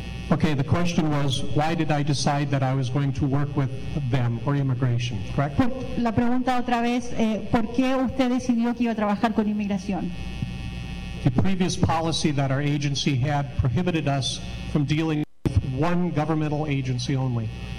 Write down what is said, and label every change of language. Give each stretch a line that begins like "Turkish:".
English: Okay, the question was, why did I decide that I was going to work with them or immigration, correct?
Spanish: La pregunta otra vez, ¿por qué usted decidió que iba a trabajar con inmigración?
English: The previous policy that our agency had prohibited us from dealing with one governmental agency only.